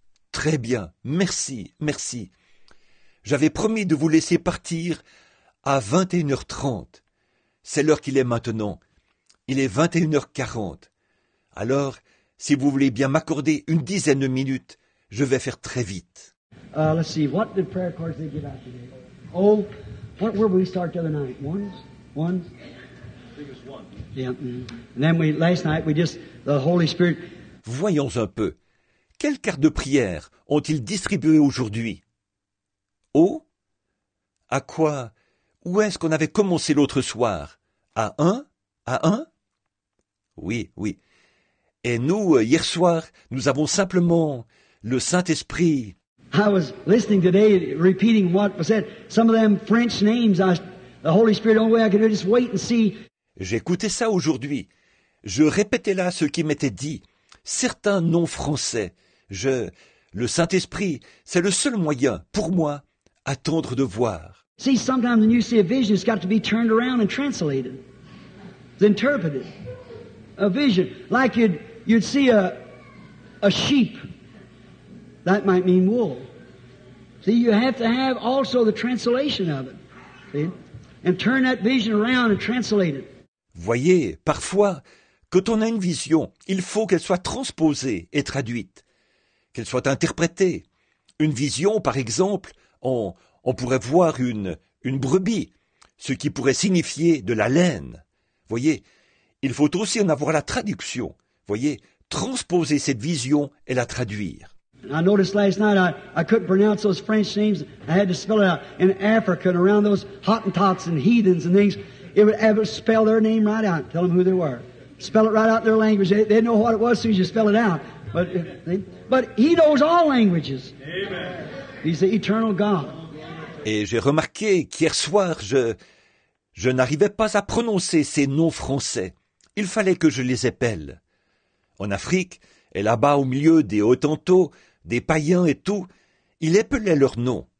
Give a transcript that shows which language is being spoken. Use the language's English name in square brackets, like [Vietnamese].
[French] Très bien, merci. J'avais promis de vous laisser partir à 21h30. C'est l'heure qu'il est maintenant. Il est 21h40. Alors, si vous voulez bien m'accorder une dizaine de minutes, je vais faire très vite. [English] Let's see, what did prayer cards they give out today? Oh, what were we start the other night? One? I think it was one. Yeah. And then last night, we just, the Holy Spirit... [French] Voyons un peu. Quelles cartes de prière ont-ils distribuées aujourd'hui? Oh? À quoi? Où est-ce qu'on avait commencé l'autre soir? À un? Oui. Et nous, hier soir, nous avons simplement le Saint-Esprit. [English] I was listening today, repeating what was said. Some of them French names, the Holy Spirit, only way I could just wait and see. [French] J'écoutais ça aujourd'hui. Je répétais là ce qui m'était dit. Certains noms français. Le Saint-Esprit, c'est le seul moyen, pour moi, attendre de voir. [English] See, sometimes when you see a vision, it's got to be turned around and translated. It's interpreted. A vision. Like you'd see a sheep. That might mean wool. See, you have to have also the translation of it. See? And turn that vision around and translate it. [French] Voyez, parfois, quand on a une vision, il faut qu'elle soit transposée et traduite. Qu'elle soit interprétée. Une vision, par exemple, on pourrait voir une brebis, ce qui pourrait signifier de la laine. Voyez, il faut aussi en avoir la traduction. Voyez, transposer cette vision et la traduire. [English] I noticed last night I couldn't pronounce those French names. I had to spell it out in Africa and around those Hottentots and heathens and things. It would spell their name right out. Tell them who they were. Spell it right out in their language. They'd know what it was as soon as you spell it out. But he knows all languages. Amen. He's the eternal God. [French] Et j'ai remarqué qu'hier soir, je n'arrivais pas à prononcer ces noms français. Il fallait que je les appelle. En Afrique, et là-bas au milieu des Hottentots, des païens et tout, il appelait leurs noms.